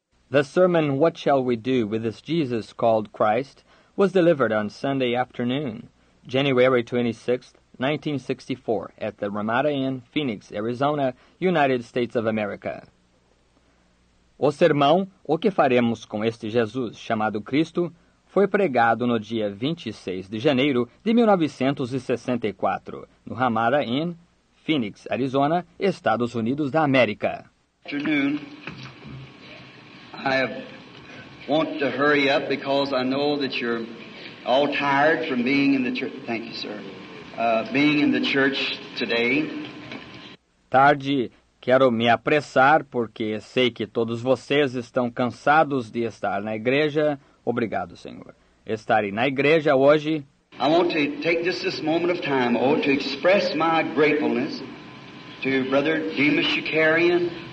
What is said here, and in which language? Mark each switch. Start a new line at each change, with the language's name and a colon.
English: The sermon, What Shall We Do with This Jesus Called Christ, was delivered on Sunday afternoon, January 26, 1964, at the Ramada Inn, Phoenix, Arizona, United States of America.
Portuguese: O sermão, O que Faremos com Este Jesus Chamado Cristo, foi pregado no dia 26 de janeiro de 1964, no Ramada Inn, Phoenix, Arizona, Estados Unidos da América.
English: Afternoon. I want to hurry up because I know that you're all tired from being in the church. Thank you, sir. Being in the church today.
Portuguese: Tarde, quero me apressar porque sei que todos vocês estão cansados de estar na igreja. Obrigado, Senhor. Estarei na igreja hoje.
English: I want to take just this moment of time, oh, to express my gratefulness to Brother Demas Shakarian.